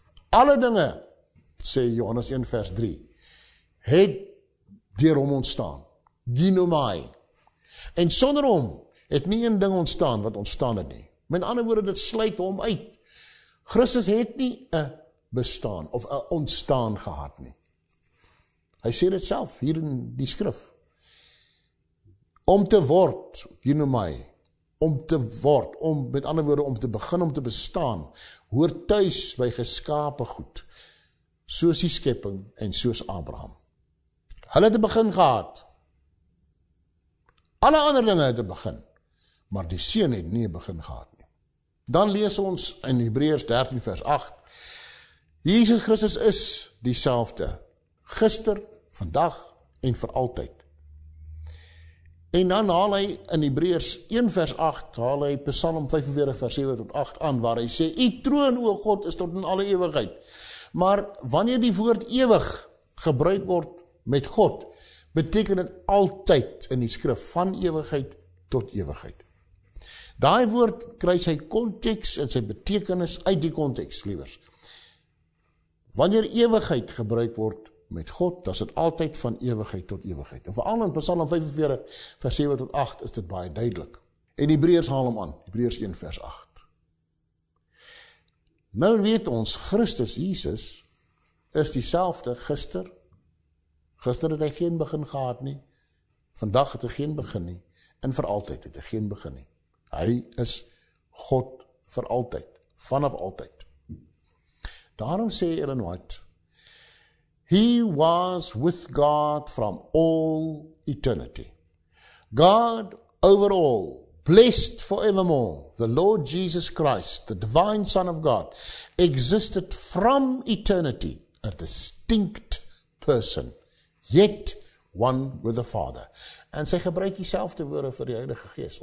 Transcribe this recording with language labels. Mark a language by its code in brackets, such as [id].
[af] Alle dinge, sê Johannes 1 vers 3, het deur hom ontstaan, dinomai, en sonder hom het nie een ding ontstaan wat ontstaan het nie. Met ander woorde, dit sluit hom uit. Christus het nie een bestaan of een ontstaan gehad nie. Hy sê dit self hier in die skrif. Om te word, hier noem hy, om te word, om met ander woorde om te begin, om te bestaan, hoor thuis by geskape goed, soos die skepping en soos Abraham. Hulle het een begin gehad, alle ander dinge het een begin, maar die Seun het nie een begin gehad nie. Dan lees ons in Hebreërs 13 vers 8, Jesus Christus is dieselfde, gister, vandag en vir altyd. En dan haal hy in Hebreërs 1 vers 8, haal hy Psalm 45 vers 7 tot 8 aan, waar hy sê, u troon o God is tot in alle ewigheid. Maar wanneer die woord ewig gebruik word met God, beteken dit altyd in die skrif van ewigheid tot ewigheid. Daai woord kry sy konteks en sy betekenis uit die konteks, liewers. Wanneer ewigheid gebruik word met God, dan is dit altyd van ewigheid tot ewigheid. En veral in Psalm 45 vers 7 tot 8 is dit baie duidelik. En Hebreërs haal hom aan, Hebreërs 1 vers 8. Nou weet ons, Christus Jesus is dieselfde gister. Gister het hy geen begin gehad nie, vandag het hy geen begin nie, en vir altyd het hy geen begin nie. Hy is God vir altyd, vanaf altyd. Daarom sê [en] Ellen White, He was with God from all eternity. God over all, blessed forevermore, the Lord Jesus Christ, the divine Son of God, existed from eternity, a distinct person. Yet one with the Father. [af] En sy gebruik dieselfde woorde vir die Heilige Gees.